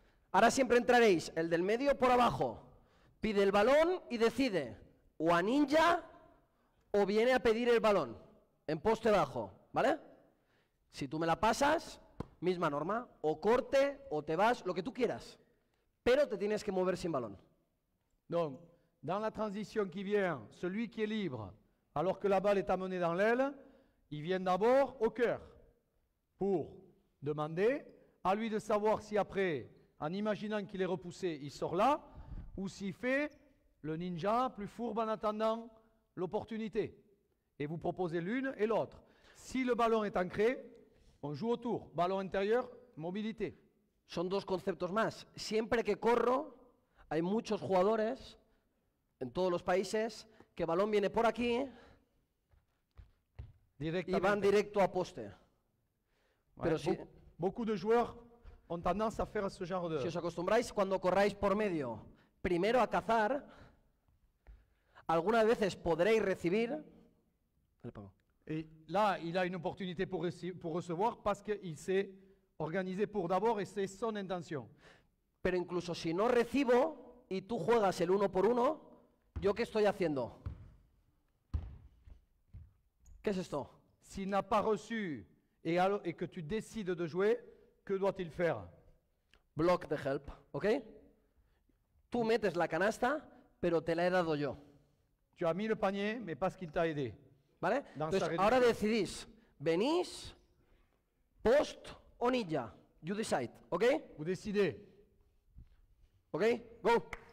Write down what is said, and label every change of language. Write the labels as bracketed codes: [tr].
[es] Ahora siempre entraréis el del medio por abajo. Pide el balón y decide o a ninja o viene a pedir el balón en poste bajo, ¿vale? Si tú me la pasas, misma norma, o corte o te vas, lo que tú quieras. Pero te tienes que mover sin balón. [fr] Donc, dans la transition qui vient, celui qui est libre, alors que la balle est amenée dans l'aile, il vient d'abord au cœur pour demander à lui de savoir si après, en imaginant qu'il est repoussé, il sort là, ou s'il fait le ninja plus fourbe en attendant l'opportunité. Et vous proposez l'une et l'autre. Si le ballon est ancré, on joue autour. Ballon intérieur, mobilité. [es] Son dos conceptos más. Siempre que corro, hay muchos jugadores en todos los países que balón viene por aquí y van directo a poste. [fr] Ouais, [es] pero si [fr] beaucoup de joueurs ont tendance à faire ce genre de... [es] Si os acostumbráis cuando corráis por medio, primero a cazar, algunas veces podréis recibir. [fr] Et là, il a une opportunité pour recevoir parce qu'il s'est organisé pour d'abord et c'est son intention. [es] Pero incluso si no recibo y tú juegas el uno por uno, ¿yo qué estoy haciendo? ¿Qué es esto? [fr] Si n'a pas reçu et que tu décides de jouer, que doit-il faire? [en] Block the help, ¿ok? [es] Tú metes la canasta, pero te la he dado yo. [fr] Tu as mis le panier, mais parce qu'il t'a aidé. [es] ¿Vale? Entonces, ahora decidís, venís, post o ninja. [en] You decide, [es] ¿ok? [fr] Vous décidez. [en] ¿Ok? Go.